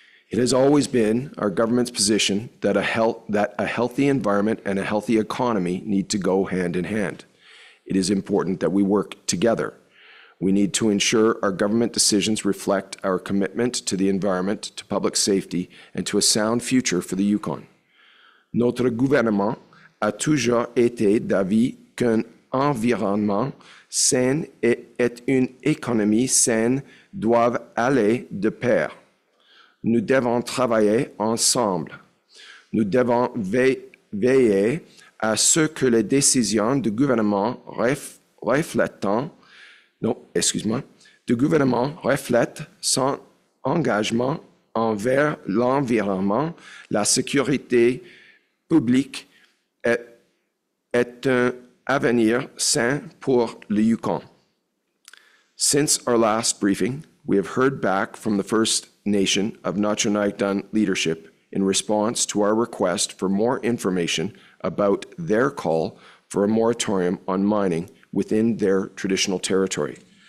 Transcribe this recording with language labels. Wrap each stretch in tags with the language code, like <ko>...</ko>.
<en>It has always been our government's position that a healthy environment and a healthy economy need to go hand in hand. It is important that we work together. We need to ensure our government decisions reflect our commitment to the environment, to public safety, and to a sound future for the Yukon.</en> <fr>Notre gouvernement a toujours été d'avis qu'un environnement sain et une économie saine doivent aller de pair. Nous devons travailler ensemble. Nous devons veiller à ce que les décisions du gouvernement reflètent son engagement envers l'environnement. La sécurité publique est un avenir sain pour le Yukon.</fr> <en>Since our last briefing, we have heard back from the First Nation of Notchanaigdun leadership in response to our request for more information about their call for a moratorium on mining within their traditional territory.</en>